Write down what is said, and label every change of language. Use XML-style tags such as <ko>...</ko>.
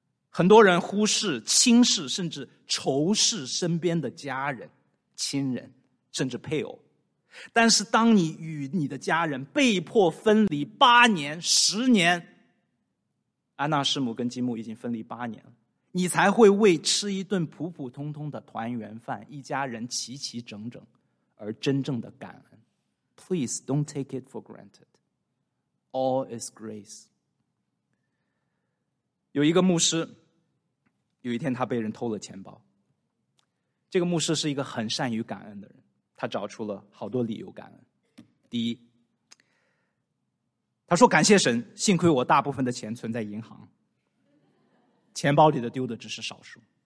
<zh>很多人忽视、轻视甚至仇视身边的家人、亲人甚至配偶，但是当你与你的家人被迫分离8年10年，安娜师母跟金牧已经分离8年了，你才会为吃一顿普普通通的团圆饭、一家人齐齐整整而真正的感恩。</zh> <en>Please don't take it for granted. All is grace.</en> <zh>有一个牧师，有一天他被人偷了钱包。这个牧师是一个很善于感恩的人，他找出了好多理由感恩。第一，他说感谢神，幸亏我大部分的钱存在银行，钱包里的丢的只是少数。</zh>